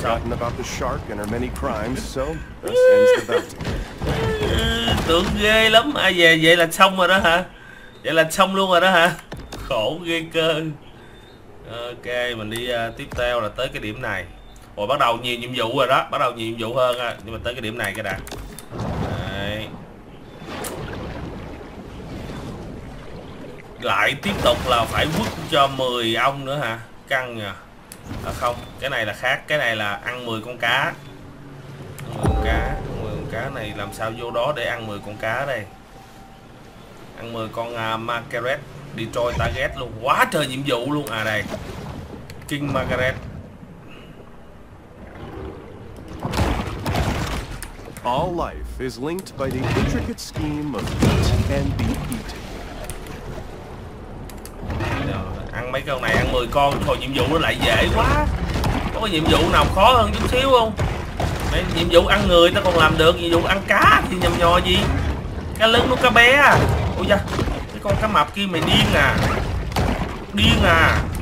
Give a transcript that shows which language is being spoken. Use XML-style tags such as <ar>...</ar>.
<en>About the shark and her many crimes, so this ends the battle.</en> <vi>Tưởng ghê lắm, ai về vậy là xong rồi đó hả? Vậy là xong luôn rồi đó hả? Khổ ghê cơ. Ok, mình đi tiếp theo là tới cái điểm này. Ủa, bắt đầu nhiều nhiệm vụ rồi đó, bắt đầu nhiều nhiệm vụ hơn á. Nhưng mà tới cái điểm này cái đã. Đấy. Lại tiếp tục là phải quất cho 10 ông nữa hả? Căng nha. À không, cái này là khác, cái này là ăn 10 con cá. 10 con cá này làm sao vô đó để ăn 10 con cá đây. Ăn 10 con Margaret, Detroit Target luôn, quá trời nhiệm vụ luôn. À đây, King Margaret.</vi> <en>All life is linked by the intricate scheme of eat and be eaten.</en> <vi>Ăn mấy con này, ăn 10 con thôi, nhiệm vụ nó lại dễ quá. Có nhiệm vụ nào khó hơn chút xíu không? Mấy nhiệm vụ ăn người ta còn làm được, nhiệm vụ ăn cá thì nhầm nhò gì. Cá lớn nó cá bé à. Ôi da, cái con cá mập kia mày điên à. Điên à.</vi>